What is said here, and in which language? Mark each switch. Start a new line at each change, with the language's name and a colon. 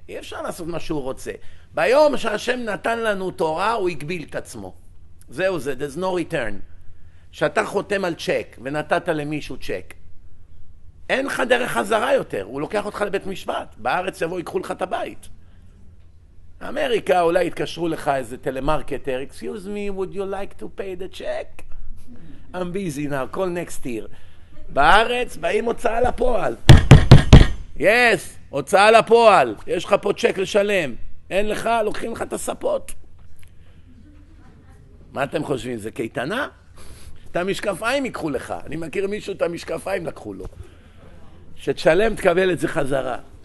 Hebrew: אי אפשר לעשות מה שהוא רוצה. ביום שהשם נתן לנו תורה, הוא הגביל את עצמו. זהו זה,
English: there's no return.
Hebrew: שאתה חותם על צ'ק ונתת למישהו צ'ק, אין לך דרך חזרה יותר. הוא לוקח אותך לבית משפט. בארץ יבוא, ייקחו לך את הבית. אמריקה, אולי יתקשרו לך איזה טלמרקטר.
English: Excuse me, would you like to pay the check? I'm busy now, call next year.
Hebrew: בארץ באים הוצאה לפועל. Yes, הוצאה לפועל. יש לך פה צ'ק לשלם. אין לך, לוקחים לך את הספות. מה אתם חושבים, זה קייטנה? את המשקפיים ייקחו לך. אני מכיר מישהו, את המשקפיים לקחו לו. שתשלם, תקבל את זה חזרה.